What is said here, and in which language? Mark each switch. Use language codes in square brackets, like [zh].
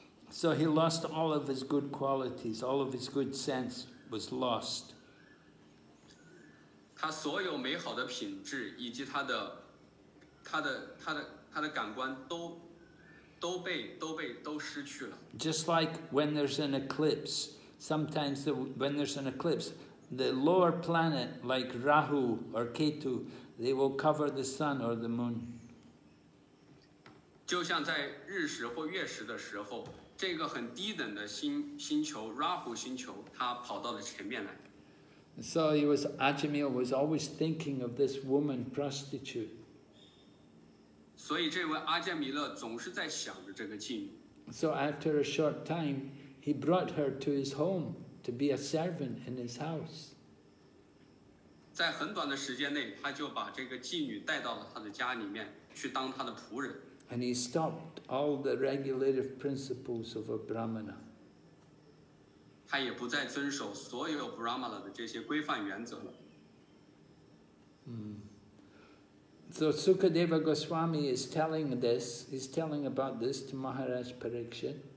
[en] So he lost all of his good qualities, all of his good sense was lost. [zh] 他所有美好的品质以及他的感官都失去了。 [en] Just like when there's an eclipse, sometimes when there's an eclipse, the lower planet like Rahu or Ketu, they will cover the sun or the moon. [zh] 就像在日食或月食的时候，这个很低等的星球 Rahu 星球，它跑到了前面来。 [en] So he was Ajamila was always thinking of this woman prostitute. [zh] 所以这位阿姜弥勒总是在想着这个妓女。 [en] So after a short time, he brought her to his home to be a servant in his house. [zh] 在很短的时间内，他就把这个妓女带到了他的家里面去当他的仆人。 [en] And he stopped all the regulative principles of a brahmana. [zh] 他也不再遵守所有 brahmana 的这些规范原则了。 [en] So Sukadeva Goswami is telling this, he's telling about this to Maharaj Parikshit.